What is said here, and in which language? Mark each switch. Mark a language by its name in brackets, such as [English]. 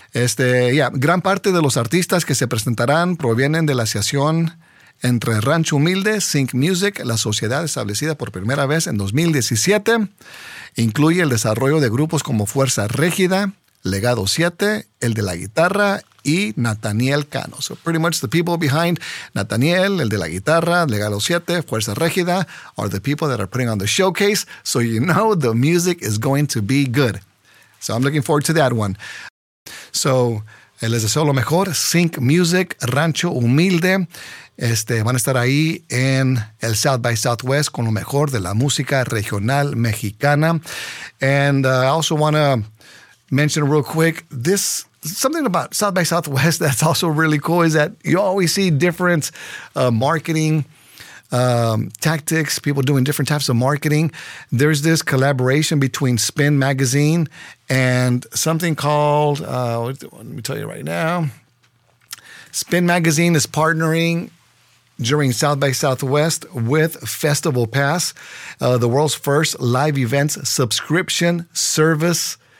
[Spanish] Gran parte de los artistas que se presentarán provienen de la asociación entre Rancho Humilde, Sync Music, la sociedad establecida por primera vez en 2017. Incluye el desarrollo de grupos como Fuerza Régida, Legado 7, El de la Guitarra y Nathaniel Cano. [English] So pretty much the people behind Nathaniel, El de la Guitarra, Legado 7, Fuerza Régida are the people that are putting on the showcase. So you know the music is going to be good. So I'm looking forward to that one. So [Spanish] les deseo lo mejor. Sync Music, Rancho Humilde. Van a estar ahí en el South by Southwest con lo mejor de la música regional mexicana. [English] And I also want to mention real quick, this something about South by Southwest that's also really cool is that you always see different marketing tactics, people doing different types of marketing. There's this collaboration between Spin Magazine and something called, let me tell you right now, Spin Magazine is partnering during South by Southwest with Festival Pass, the world's first live events subscription service.